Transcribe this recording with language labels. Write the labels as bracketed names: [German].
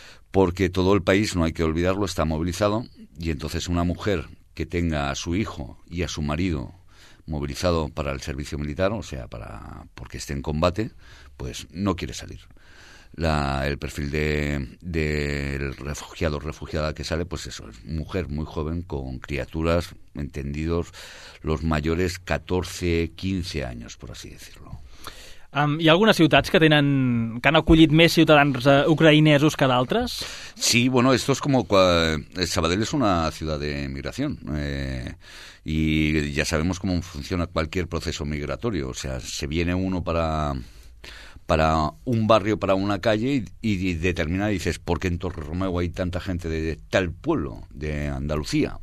[Spanish] Porque todo el país, no hay que olvidarlo, está movilizado, y entonces una mujer que tenga a su hijo y a su marido movilizado para el servicio militar, o sea, porque esté en combate, pues no quiere salir. El perfil del refugiado o refugiada que sale, pues eso, es mujer muy joven con criaturas, entendidos, los mayores 14, 15 años, por así decirlo. [Catalan] Hi ha algunes ciutats que han acollit més ciutadans ucraïnesos que d'altres? [Spanish] Sí, bueno, esto es como... Sabadell es una ciudad de migración y ya sabemos cómo funciona cualquier proceso migratorio. O sea, se viene uno para un barrio, para una calle y determina, y dices, ¿por qué en Torremolinos hay tanta gente de tal pueblo de Andalucía?